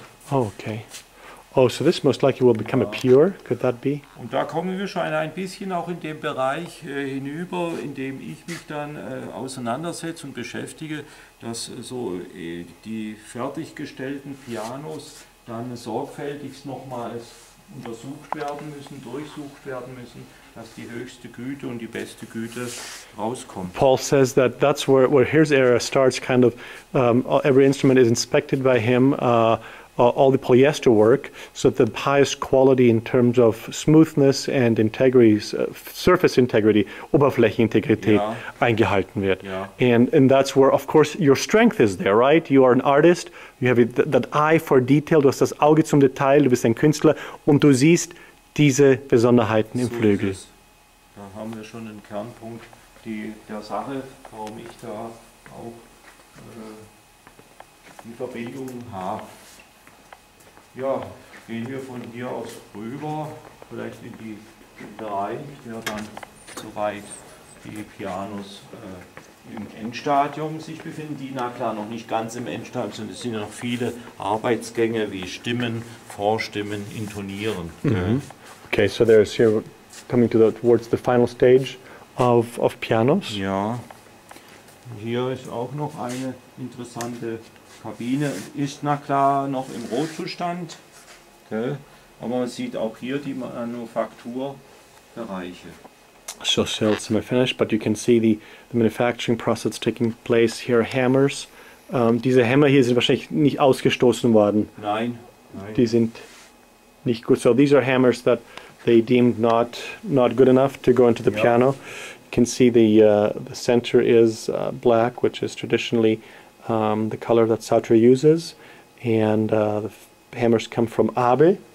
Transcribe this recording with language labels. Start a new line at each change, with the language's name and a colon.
English: Oh, okay. Oh, so this most likely will become ja. A pure, could that be?
German: Und da kommen wir schon ein bisschen auch in dem Bereich hinüber, in dem ich mich dann auseinandersetze und beschäftige, dass so die fertiggestellten Pianos dann sorgfältigst nochmals untersucht werden müssen, durchsucht werden müssen, dass die höchste Güte und die beste Güte rauskommt.
English: Paul says that that's where his era starts, kind of every instrument is inspected by him, all the polyester work, so the highest quality in terms of smoothness and integrity, surface integrity, Oberflächenintegrität, ja.
German: Eingehalten wird. Ja.
English: And that's where, of course, your strength is there, right? You are an artist, you have that eye for detail,
German: du hast das Auge zum Detail, du bist ein Künstler und du siehst diese Besonderheiten im
English: so
German: Flügel. Ist es. Da haben wir schon einen Kernpunkt der Sache, warum ich da auch die Verbindung habe. Ja, gehen wir von hier aus rüber, vielleicht in die Bereich, der dann soweit die Pianos im Endstadium sich befinden, die na klar noch nicht ganz im Endstadium sind, es sind ja noch viele Arbeitsgänge wie Stimmen, Vorstimmen, Intonieren. Mm-hmm.
English: Okay, so there's here coming to the, towards the final stage of Pianos.
German: Ja, hier ist auch noch eine interessante Kabine ist na klar noch im Rohzustand, gell? Aber man sieht auch hier die Manufakturbereiche.
English: So still semi-finished, but you can see the manufacturing process taking place here. Hammers.
German: Diese Hämmer hier sind wahrscheinlich nicht ausgestoßen worden. Nein. Die sind nicht gut.
English: So these are hammers that they deemed not good enough to go into the yep. piano. You can see the center is black, which is traditionally the color that Sauter uses, and the hammers come from Abel,